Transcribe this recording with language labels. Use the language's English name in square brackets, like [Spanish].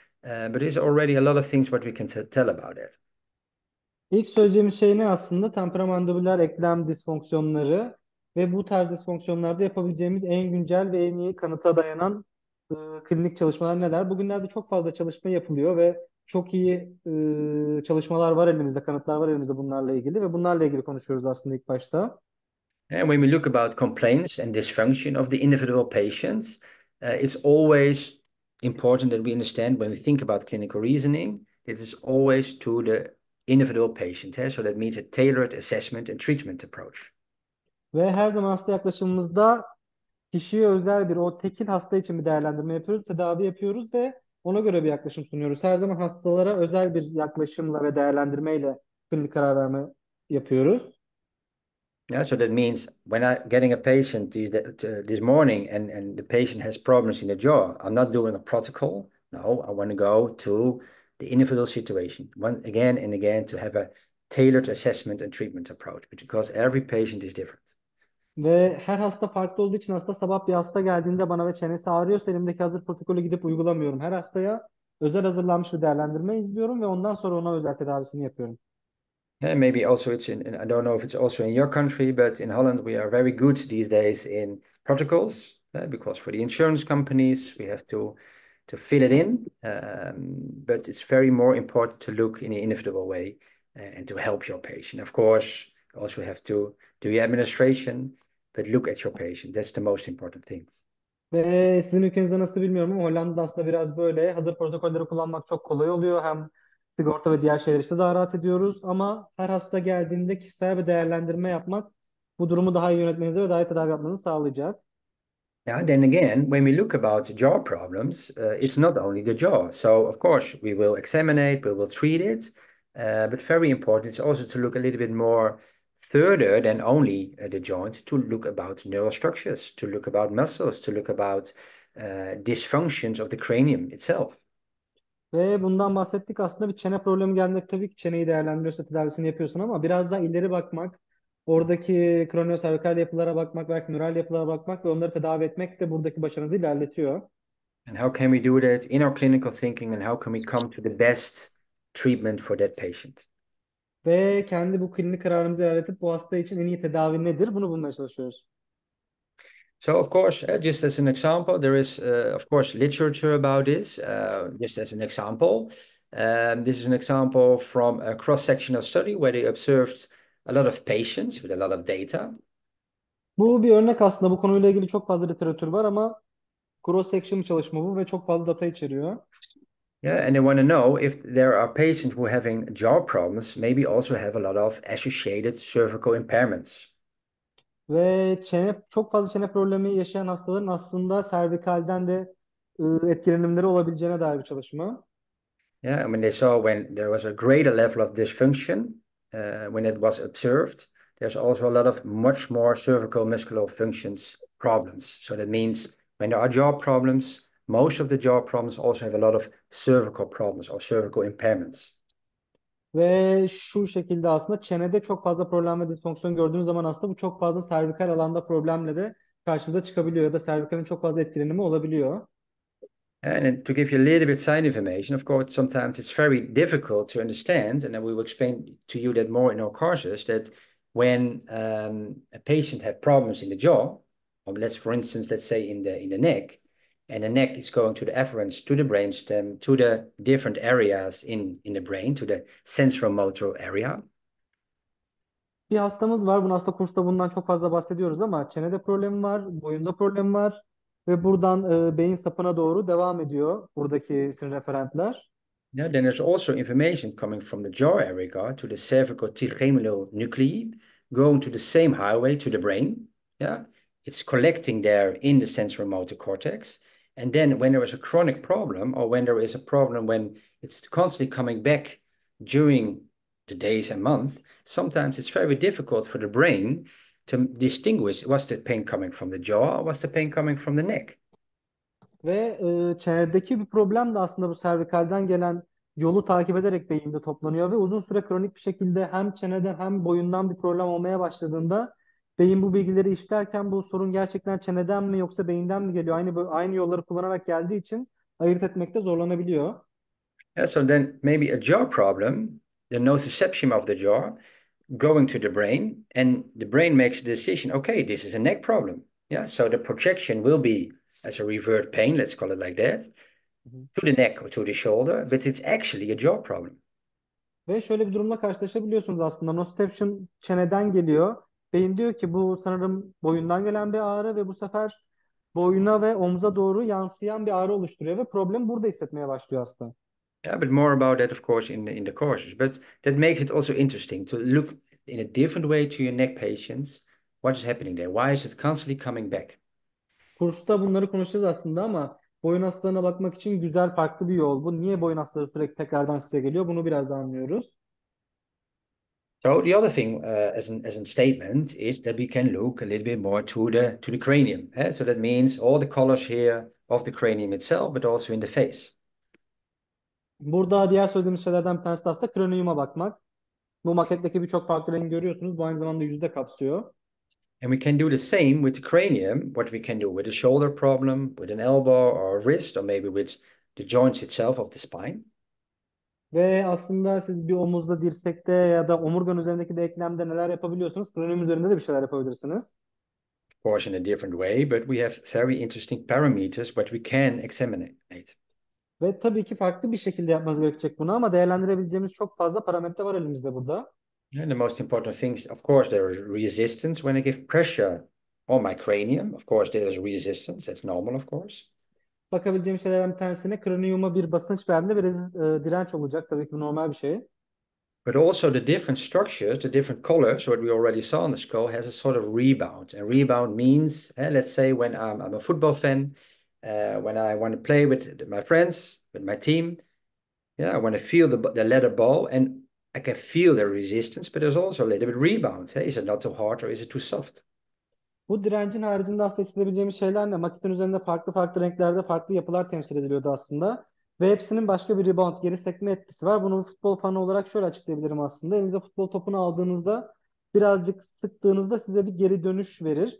[English] But there's already a lot of things what we can tell about it. [Turkish] İlk söyleyeceğim şey ne aslında? Temporomandibüler eklem disfonksiyonları ve bu tarz disfonksiyonlarda yapabileceğimiz en güncel ve en iyi kanıta dayanan klinik çalışmalar neler? Bugünlerde çok fazla çalışma yapılıyor ve çok iyi çalışmalar var elimizde, kanıtlar var elimizde bunlarla ilgili ve bunlarla ilgili konuşuyoruz aslında ilk başta. [English] And when we look about complaints and dysfunction of the individual patients, it's always important that we understand when we think about clinical reasoning, it is always to the individual patient. Yeah? So that means a tailored assessment and treatment approach. [Turkish] Ve her zaman hasta yaklaşımımızda kişiye özel bir, o tekil hasta için bir değerlendirme yapıyoruz, tedavi yapıyoruz ve ona göre bir yaklaşım sunuyoruz. Her zaman hastalara özel bir yaklaşımla ve değerlendirmeyle klinik karar verme yapıyoruz. [English] Yeah, so that means when I'm getting a patient this morning and the patient has problems in the jaw, I'm not doing a protocol. No, I want to go to the individual situation once again and again to have a tailored assessment and treatment approach because every patient is different. [Turkish] Ve her hasta farklı olduğu için hasta sabah bir hasta geldiğinde bana ve çenesi ağrıyorsa elimdeki hazır protokolü gidip uygulamıyorum. Her hastaya özel hazırlanmış bir değerlendirme izliyorum ve ondan sonra ona özel tedavisini yapıyorum. [English] Yeah, maybe also it's in, I don't know if it's also in your country, but in Holland we are very good these days in protocols, because for the insurance companies we have to fill it in. But it's very more important to look in an individual way and to help your patient. Of course, also have to do your administration, but look at your patient. That's the most important thing. [Turkish] Ve sizin ülkenizde nasıl bilmiyorum ama Hollanda'da aslında biraz böyle hazır protokolleri kullanmak çok kolay oluyor. Hem sigorta ve diğer şeyler işte daha rahat ediyoruz. Ama her hasta geldiğinde kişisel bir değerlendirme yapmak bu durumu daha iyi yönetmenizi ve daha iyi tedavi yapmanızı sağlayacak. [English] Now, then again, when we look about jaw problems, it's not only the jaw. So, of course, we will examine, we will treat it. But very important, it's also to look a little bit more further than only the joint, to look about neural structures, to look about muscles, to look about dysfunctions of the cranium itself. [Turkish] Ve bundan bahsettik. Aslında bir çene problemi geldiğinde tabii ki çeneyi değerlendiriyorsun, tedavisini yapıyorsun ama biraz daha ileri bakmak, oradaki kraniosakral yapılara bakmak, belki nöral yapılara bakmak ve onları tedavi etmek de buradaki başarınızı ilerletiyor. [English] And how can we do that in our clinical thinking and how can we come to the best treatment for that patient? [Turkish] Ve kendi bu klinik kararımızı ilerletip bu hasta için en iyi tedavi nedir? Bunu bulmaya çalışıyoruz. [English] So of course, just as an example, there is of course literature about this, just as an example. This is an example from a cross-sectional study where they observed a lot of patients with a lot of data. [Turkish] Bu bir örnek aslında. Bu konuyla ilgili çok fazla literatür var ama cross section çalışma bu ve çok fazla data içeriyor. [English] Yeah, and they want to know if there are patients who are having jaw problems, maybe also have a lot of associated cervical impairments. [Turkish] Ve çene, çok fazla çene problemi yaşayan hastaların aslında servikalden de etkilenimleri olabileceğine dair bir çalışma. [English] Yeah, I mean they saw when there was a greater level of dysfunction, when it was observed, there's also a lot of much more cervical muscular functions problems. So that means when there are jaw problems. Most of the jaw problems also have a lot of cervical problems or cervical impairments. [Turkish] Ve şu şekilde aslında çenede çok fazla problem ve disfonksiyon gördüğünüz zaman aslında bu çok fazla servikal alanda problemle de karşımıza çıkabiliyor ya da servikalin çok fazla etkilenimi olabiliyor. [English] And to give you a little bit side information, of course, sometimes it's very difficult to understand, and then we will explain to you that more in our courses, that when a patient had problems in the jaw, or let's for instance, let's say in the neck. And the neck is going to the afferents, to the brainstem, to the different areas in the brain, to the sensorimotor area. [Turkish] Bir hastamız var. Bunu hasta kursta bundan çok fazla bahsediyoruz ama çenede problemi var, boyunda problemi var ve buradan beyin sapına doğru devam ediyor buradaki sinir referentler. [English] Now, then there's also information coming from the jaw area to the cervical trigeminal nuclei, going to the same highway to the brain. Yeah, it's collecting there in the sensorimotor cortex. And then, when there is a chronic problem, or when there is a problem when it's constantly coming back during the days and month, sometimes it's very difficult for the brain to distinguish was the pain coming from the jaw or was the pain coming from the neck. [Turkish] Ve çenedeki bir problem de aslında bu servikalden gelen yolu takip ederek beyinde toplanıyor ve uzun süre kronik bir şekilde hem çenede hem boyundan bir problem olmaya başladığında beyin bu bilgileri işlerken bu sorun gerçekten çeneden mi yoksa beyinden mi geliyor? Aynı yolları kullanarak geldiği için ayırt etmekte zorlanabiliyor. [English] So then maybe a jaw problem, the nociception of the jaw going to the brain, and the brain makes a decision, okay, this is a neck problem. Yeah, so the projection will be as a revert pain, let's call it like that, to the neck or to the shoulder, but it's actually a jaw problem. [Turkish] Ve şöyle bir durumla karşılaşabiliyorsunuz aslında. Nociception çeneden geliyor. Beyin diyor ki bu sanırım boyundan gelen bir ağrı ve bu sefer boyuna ve omuza doğru yansıyan bir ağrı oluşturuyor ve problem burada hissetmeye başlıyor aslında. [English] Yeah, but more about that, of course, in the courses. But that makes it also interesting to look in a different way to your neck patients. What is happening there? Why is it constantly coming back? [Turkish] Kursta bunları konuşacağız aslında ama boyun hastalığına bakmak için güzel farklı bir yol bu. Niye boyun hastalığı sürekli tekrardan size geliyor? Bunu biraz daha anlıyoruz. [English] So the other thing, as a statement, is that we can look a little bit more to the cranium. Yeah? So that means all the colors here of the cranium itself, but also in the face. [Turkish] Burada diğer söylediğimiz şeylerden bir tanesi de aslında kraniyuma bakmak. Bu maketteki birçok farklı rengi görüyorsunuz. Bu aynı zamanda yüzü de kapsıyor. [English] And we can do the same with the cranium, what we can do with a shoulder problem, with an elbow or a wrist, or maybe with the joints itself of the spine. [Turkish] Ve aslında siz bir omuzda, dirsekte ya da omurgan üzerindeki de eklemde neler yapabiliyorsunuz? Kronik üzerinde de bir şeyler yapabilirsiniz. [English] Of course, in a different way, but we have very interesting parameters which we can [Turkish] Ve tabii ki farklı bir şekilde yapmanız gerekecek bunu ama değerlendirebileceğimiz çok fazla parametre var elimizde burada. [English] examine. And the most important things, of course, there is resistance when I give pressure on my cranium. Of course, there is resistance. That's normal, of course. [Turkish] Bakabileceğim şeylerden bir tanesine kraniyuma bir basınç verdiğinde biraz direnç olacak. Tabii ki bu normal bir şey. [English] But also the different structures, the different colors, what we already saw on the skull, has a sort of rebound. And rebound means, let's say, when I'm a football fan, when I want to play with my friends, with my team, yeah, I want to feel the leather ball, and I can feel the resistance, but there's also a little bit rebound. Hey? Is it not too hard or is it too soft? [Turkish] Bu direncin haricinde aslında hissedebileceğimiz şeyler ne? Maketin üzerinde farklı farklı renklerde farklı yapılar temsil ediliyordu aslında. Ve hepsinin başka bir rebound, geri sekme etkisi var. Bunu futbol fanı olarak şöyle açıklayabilirim aslında. Elinize futbol topunu aldığınızda birazcık sıktığınızda size bir geri dönüş verir.